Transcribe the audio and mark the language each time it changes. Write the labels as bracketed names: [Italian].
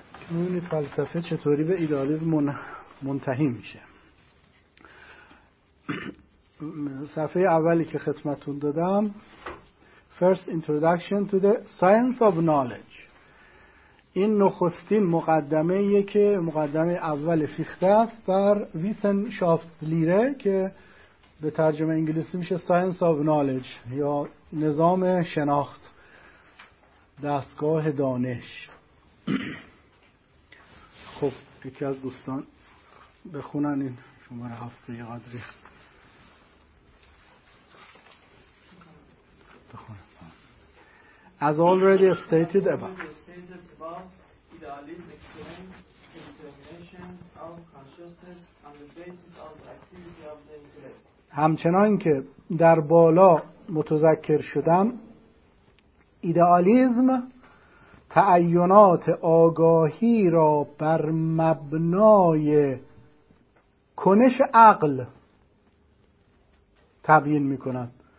[Persian] این فلسفه چطوری به ایدئالیزم منتهی میشه؟ صفحه اولی که خدمتتون دادم، [English] First Introduction to the Science of Knowledge، [Persian] این نخستین مقدمه ایه که مقدمه اول فیخته است بر ویسنشافتلیره که به ترجمه انگلیسی میشه ساینس آف نالج یا نظام شناخت، دستگاه دانش. خب یکی از دوستان بخونن این شماره هفت رو، یه قدری بخونن. [English] As already stated above, idealism explains the determination of consciousness on the basis of the activity of the intellect. [Persian] همچنان که در بالا متذکر شدم، ایدئالیزم تعینات آگاهی را بر مبنای کنش عقل تبیین می‌کند.